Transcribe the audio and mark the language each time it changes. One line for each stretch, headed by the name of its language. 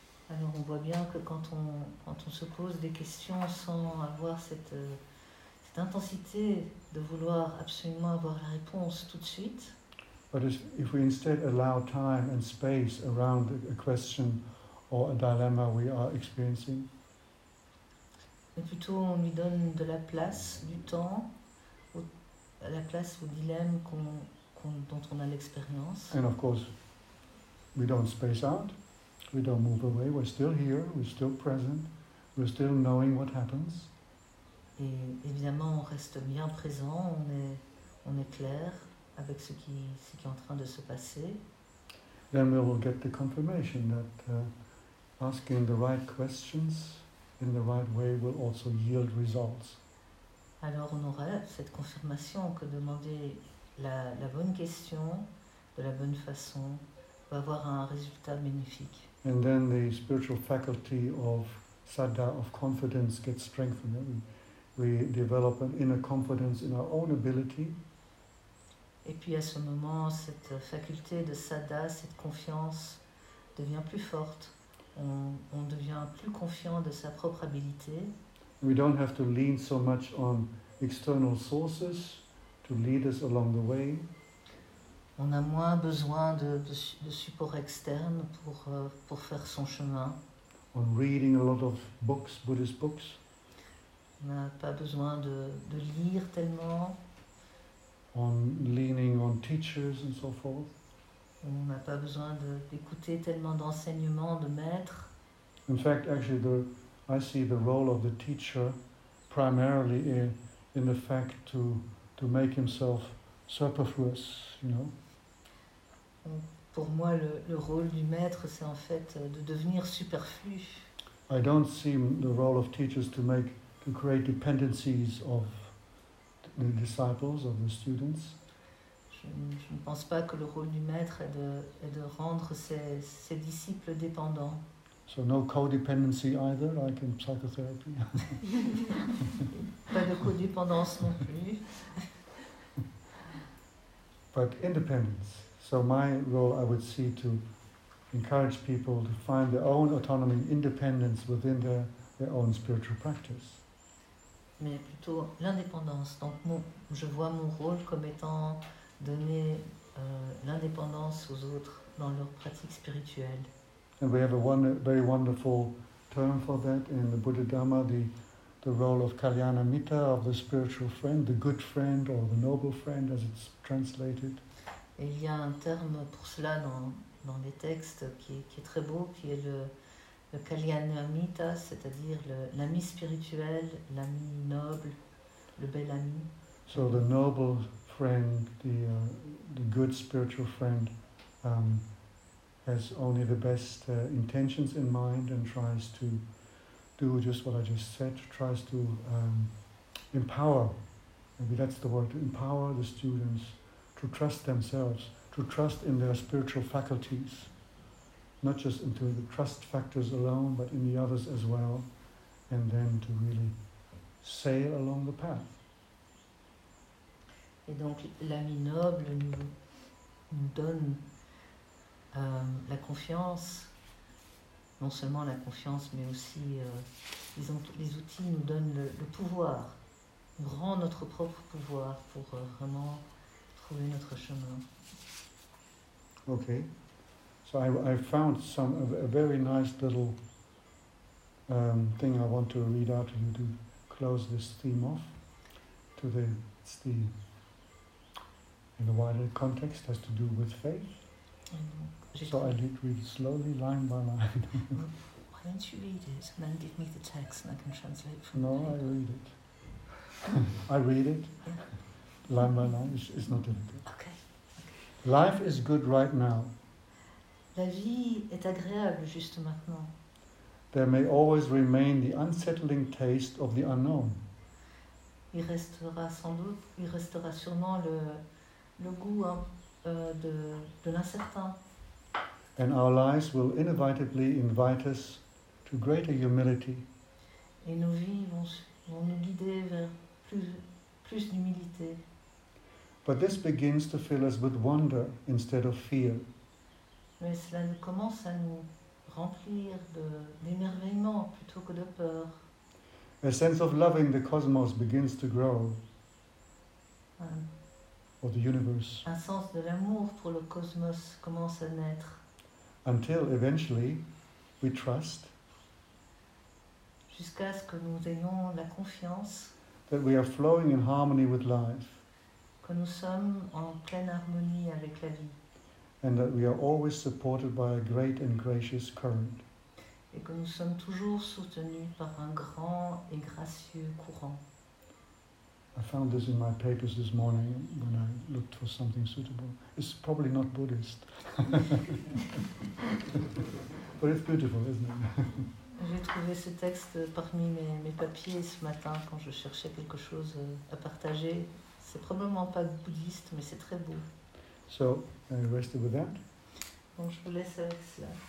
French: Alors on voit bien que quand on se pose des questions sans avoir cette intensité de vouloir absolument avoir la réponse tout de suite.
English: But if we instead allow time and space around a question or a dilemma we are experiencing.
French: Mais plutôt on lui donne de la place, du temps, la place au dilemme dont on a l'expérience.
English: And of course, we don't space out, we don't move away, we're still here, we're still present, we're still knowing what happens.
French: Et évidemment, on reste bien présent, on est clair avec ce qui est en train de se passer.
English: Then we will get the confirmation that asking the right questions in the right way will also yield results.
French: Alors on aura cette confirmation que demander la bonne question de la bonne façon va avoir un résultat bénéfique.
English: And then the spiritual faculty of sadda, of confidence, gets strengthened. We develop an inner confidence in our own ability.
French: Et puis à ce moment, cette faculté de sadda, cette confiance, devient plus forte. On devient plus confiant de sa propre habilité.
English: We don't have to lean so much on external sources to lead us along the way.
French: On a moins besoin de support externe pour faire son chemin.
English: On reading a lot of books, Buddhist books.
French: On n'a pas besoin de lire tellement.
English: On leaning on teachers and so forth.
French: On n'a pas besoin d'écouter tellement d'enseignements, de maîtres.
English: In fact, actually, I see the role of the teacher primarily in the fact to make himself superfluous, you know.
French: Pour moi, le rôle du maître, c'est en fait de devenir superflu.
English: I don't see the role of teachers to create dependencies of the disciples, of the students.
French: Je ne pense pas que le rôle du maître est de rendre ses disciples dépendants.
English: So no codependency either, like in psychotherapy.
French: Pas de codépendance non plus.
English: But independence. So my role, I would see to encourage people to find their own autonomy, independence within their own spiritual practice.
French: Mais plutôt l'indépendance. Donc je vois mon rôle comme étant donner l'indépendance aux autres dans leur pratique spirituelle.
English: And we have a very wonderful term for that in the Buddha Dhamma, the role of Kalyanamitta, of the spiritual friend, the good friend or the noble friend as it's translated.
French: Et il y a un terme pour cela dans les textes qui est très beau, qui est le Kalyanamitta, c'est-à-dire l'ami spirituel, l'ami noble, le bel ami.
English: So the noble friend, the good spiritual friend, has only the best intentions in mind and tries to do just what I just said, tries to empower, maybe that's the word, to empower the students to trust themselves, to trust in their spiritual faculties, not just into the trust factors alone, but in the others as well, and then to really sail along the path.
French: Et donc l'ami noble nous donne la confiance, non seulement la confiance, mais aussi les outils nous donnent le pouvoir, nous rend notre propre pouvoir pour vraiment trouver notre chemin.
English: Okay. So I found a very nice little thing I want to read out to you to close this theme off. In the wider context has to do with faith. So I did read slowly, line by line. Why don't you read it and then give me the text and I can translate from No, there. I read it. I read it, yeah. Line by line. It's not difficult. Okay. Life is good right now.
French: La vie est agréable juste maintenant.
English: There may always remain the unsettling taste of the unknown.
French: Il restera sûrement le goût de l'incertain.
English: And our lives will inevitably invite us to greater humility.
French: Et nos vies vont nous guider vers plus d'humilité.
English: But this begins to fill us with wonder instead of fear.
French: Mais cela commence à nous remplir d'émerveillement plutôt que de peur.
English: A sense of loving the cosmos begins to grow. Or the universe.
French: Un sens de l'amour pour le cosmos commence à naître.
English: Until eventually we trust.
French: Jusqu'à ce que nous ayons la confiance.
English: That we are flowing in harmony with life.
French: Que nous sommes en pleine harmonie avec la vie.
English: And that we are always supported by a great and gracious current.
French: Et que nous sommes toujours soutenus par un grand et gracieux courant.
English: I found this in my papers this morning when I looked for something suitable. It's probably not Buddhist. But it's beautiful, isn't it?
French: J'ai trouvé ce texte parmi mes papiers ce matin quand je cherchais quelque chose à partager. C'est probablement pas bouddhiste, mais c'est très beau.
English: So, I rested with that.
French: Donc je vous laisse avec cela.